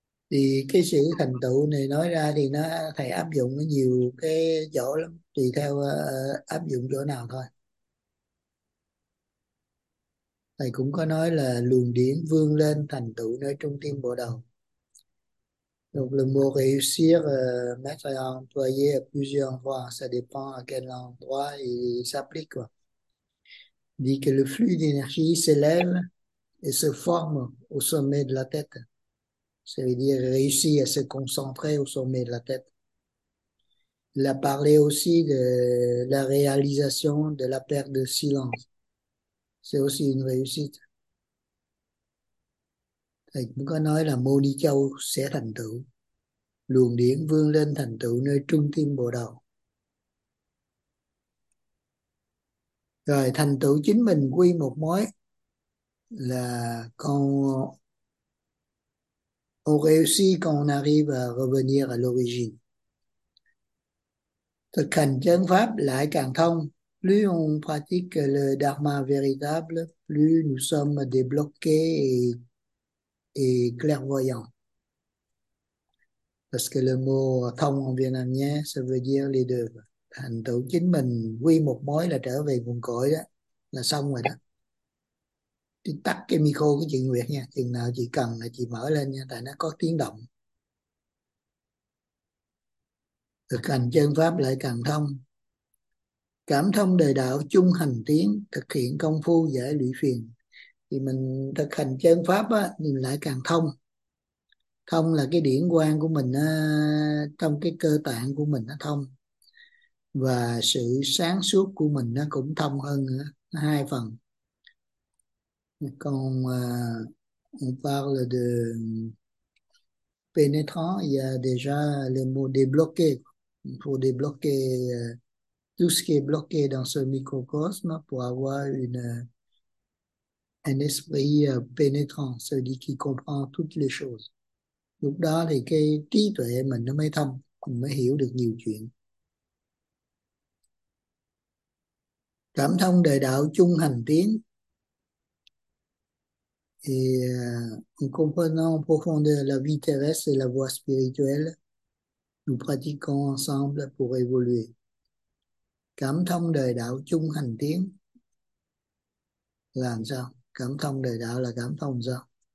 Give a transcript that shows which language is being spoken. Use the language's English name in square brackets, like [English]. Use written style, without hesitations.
[Vietnamese] Thì cái sự thành tựu này nói ra thì nó thầy áp dụng ở nhiều cái chỗ lắm, tùy theo áp dụng chỗ nào thôi. Thầy cũng có nói là luồng điển vươn lên thành tựu nơi trung tâm bộ đầu. [French] Donc le mot réussir, mettre en employer plusieurs fois, ça dépend à quel endroit il s'applique, quoi. Il dit que le flux d'énergie s'élève et se forme au sommet de la tête. Ça veut dire réussir à se concentrer au sommet de la tête. Il a parlé aussi de la réalisation de la perte de silence. C'est aussi une réussite. [Vietnamese] Thầy cũng có nói là Mô Ni Châu sẽ thành tựu. Luồng điển vươn lên thành tựu nơi trung tâm bộ đầu. Rồi thành tựu chính mình quy một mối là con [French] on réussit quand on arrive à revenir à l'origine. [Vietnamese] Thực hành chân pháp lại càng thông. [French] Plus on pratique le dharma véritable, plus nous sommes débloqués et clairvoyant. Parce que le mot thông en vietnamien, ça veut dire les deux. [Vietnamese] Thành tựu chính mình quy một mối là trở về nguồn cội đó, là xong rồi đó. Chị tắt cái micro của chị Nguyệt nha, chừng nào chị cần là chị mở lên nha, tại nó có tiếng động. Thực hành chân pháp lại càng thông. Cảm thông đời đạo chung hành tiến, thực hiện công phu giải lụy phiền. Thì mình thực hành chân pháp á, thì mình lại càng thông. Thông là cái điển quang của mình á, trong cái cơ tạng của mình nó thông. Và sự sáng suốt của mình nó cũng thông hơn nữa, hai phần. Còn [French] on parle de pénétrant, il y a déjà le mot débloquer. Il faut débloquer tout ce qui est bloqué dans ce microcosme pour avoir un esprit pénétrant, celui qui comprend toutes les choses. [Vietnamese] Lúc đó thì cái trí tuệ mình nó mới thông, mình mới hiểu được nhiều chuyện. Cảm thông đời đạo chung hành tiến. [French] Et en comprenant en profondeur la vie terrestre et la voie spirituelle, nous pratiquons ensemble pour évoluer. [Vietnamese] Cảm thông đời đạo chung hành tiến. Làm sao? Cảm thông đời đạo là cảm thông sao?